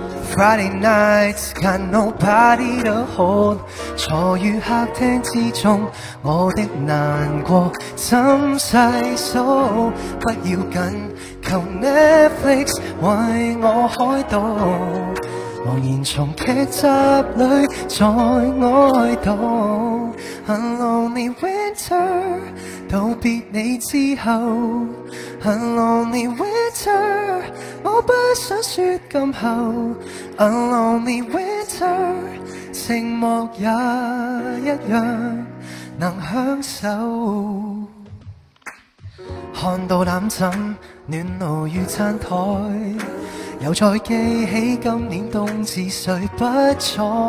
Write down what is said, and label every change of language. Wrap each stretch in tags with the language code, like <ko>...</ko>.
<en>Friday nights got nobody to hold，</en> <yue>坐于客厅之中，我的难过怎细数？不要紧，求 Netflix 为我开导，茫然从剧集里再哀悼。</yue> <en>A lonely winter，</en> <yue>道别你之后。</yue> <en>A lonely winter，</en> <yue>我不想说今后。</yue> <en>A lonely winter，</en> <yue>寂寞也一样能享受。看到揽枕暖炉与餐台，又再记起今年冬至睡不睬。</yue>